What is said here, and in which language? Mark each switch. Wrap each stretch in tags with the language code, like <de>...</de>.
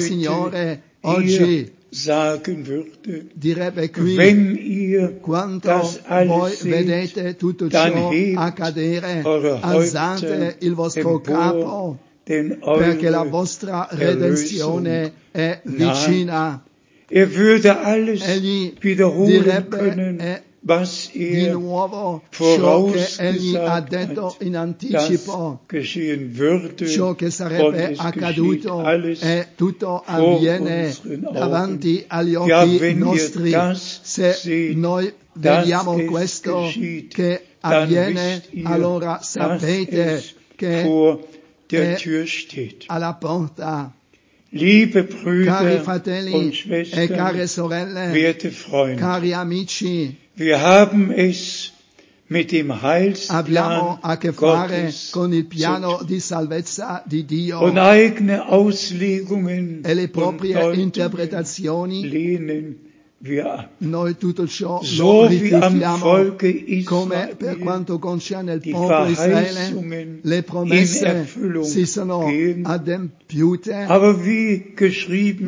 <it>Signore oggi</it> <de>sagen würde,</de> <it>direbbe qui</it> <de>wenn ihr</de> <it>quanto</it> <de>das alles</de> <it>voi</it> <de>seht,</de> <it>vedete tutto ciò accadere, alzate il vostro capo perché la vostra redenzione è vicina.</it> <de>Nah. Er würde alles wiederholen können, was er vorausgesagt hat, dass geschehen würde.</de> <it>Ciò che sarebbe</it> <de>und es</de> <it>accaduto,</it> <de>geschieht alles</de> <it>e tutto avviene</it> <de>vor unseren Augen.</de> <it>Agli occhi</it> <de>ja, wenn</de> <it>nostri,</it> <de>ihr das</de> <it>se</it> <de>seht,</de> <it>noi vediamo questo</it> <de>geschieht,</de> <it>che avviene, allora sapete che</it> <de>vor der Tür steht.</de> <it>Alla porta.</it> <de>Liebe Brüder</de> <it>cari fratelli</it> <de>und Schwestern,</de> <it>e care sorelle,</it> <de>werte Freunde,</de> <it>cari amici,</it> <de>wir haben es mit dem Heilsplan</de> <it>a che fare</it> <de>Gottes</de> <it>con il piano di salvezza di Dio</it> <de>und eigene Auslegungen</de> <it>e le proprie interpretazioni</it> <de>lehnen wir ab.</de> <it>Noi tutto ciò</it> <de>so wie am Volke Israel,</de> <it>come per quanto concerne il popolo Israele, le promesse si sono adempiute,</it> <de>aber wie geschrieben</de>